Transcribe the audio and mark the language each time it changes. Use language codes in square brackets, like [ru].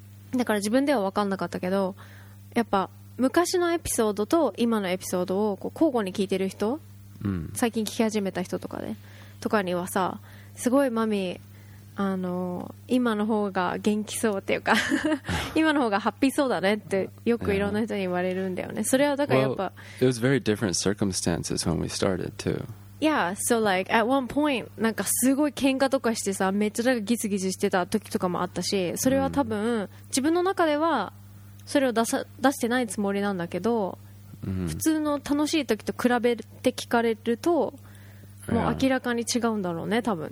[ja] だから自分では分かんなかったけど、やっぱ昔のエピソードと今のエピソードをこう交互に聞いてる人、最近聞き始めた人とかで、とかにはさ、すごいマミ、今の方が元気そうっていうか今の方がハッピーそうだねってよくいろんな人に言われるんだよね。それはだからやっぱ、 [en] well, it was very different circumstances when we started too. Yeah, so like at one point [ja] なんかすごい喧嘩とかしてさ、めっちゃなんかギスギスしてた時とかもあったし、それは多分自分の中ではそれを出してないつもりなんだけど、普通の楽しい時と比べて聞かれるともう明らかに違うんだろうね、多分。